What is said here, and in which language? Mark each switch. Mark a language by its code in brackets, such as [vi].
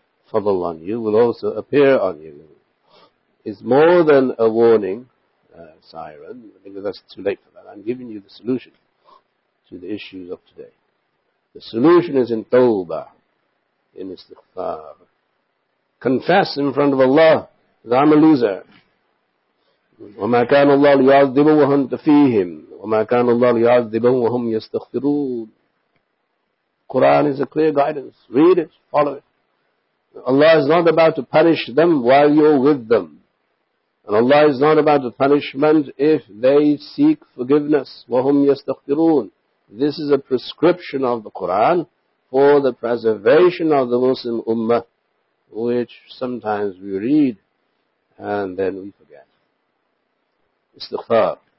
[en] trouble on you, will also appear on you. It's more than a warning, siren, because that's too late for that. I'm giving you the solution to the issues of today. The solution is in taubah, in istighfaar. Confess in front of Allah that I'm a loser. [ar] وَمَا كَانَ اللَّهُ لِيَعْذِبَهُمْ وَهُمْ يَسْتَغْفِرُونَ وَمَا كَانَ اللَّهُ لِيَعْذِبَهُمْ وَهُمْ يَسْتَغْفِرُونَ [en] Quran is a clear guidance. Read it, follow it. Allah is not about to punish them while you're with them. And Allah is not about to punishment if they seek forgiveness. [ar] وَهُمْ يَسْتَغْفِرُونَ [en] This is a prescription of the Quran for the preservation of the Muslim Ummah, which sometimes we read and then we forget. Istighfar.